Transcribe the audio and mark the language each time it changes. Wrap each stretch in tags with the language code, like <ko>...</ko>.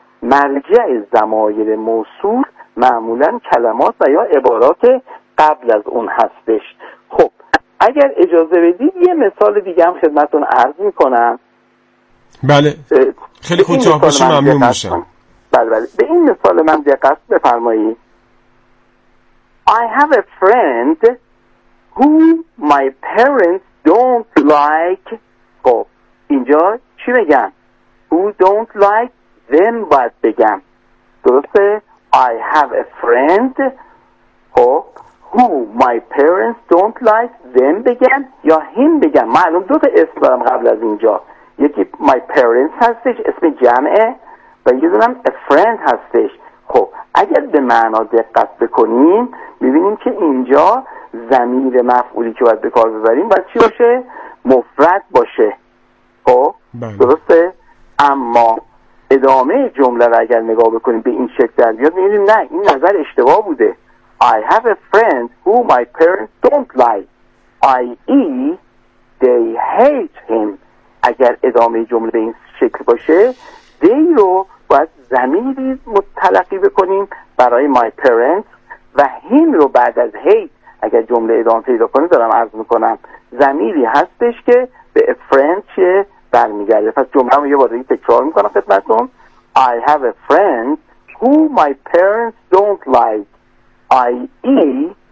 <fa>مرجع ضمایر موصول معمولا کلمات و یا عبارات قبل از اون هستش. خب اگر اجازه بدید یه مثال دیگه هم خدمتتون عرض میکنم. بله خیلی کوتاه باشه ممنون میشم. بله بله به این مثال من دقت بفرمایید.</fa> <en>I have a friend who my parents don't like.</en> <fa>خب اینجا چی بگم؟</fa> <en>Who don't like them</en> <fa>باید بگم، درسته؟</fa> <en>I have a friend who my parents don't like them</en> <fa>بگم یا him بگم. معلوم دو تا اسم دارم قبل از اینجا، یکی</fa> <en>my parents</en> <fa>هستش اسم جمعه و یه دونم</fa> <en>a friend</en> <fa>هستش. خب اگر به معنا دقت بکنیم میبینیم که اینجا ضمیر مفعولی که باید به کار ببریم باید چی باشه؟ مفرد باشه. خب درسته؟ اما ادامه جمله رو اگر نگاه بکنیم به این شکل در بیاد میبینیم نه این نظر اشتباه بوده.</fa> <en>I have a friend who my parents don't like i.e. they hate him.</en> <fa>اگر ادامه جمله به این شکل باشه they رو باید ضمیری متلقی بکنیم برای</fa> <en>my parents</en> <fa>و him رو بعد از hate. اگر جمله ادامه پیدا کنه دارم عرض میکنم ضمیری هستش که به</fa> <en>a friend</en> <fa>چه برمیگرده. پس جمله رو یه بار دیگه تکرار میکنم خدمتتون.</fa> <en>I have a friend who my parents don't like i.e.</en>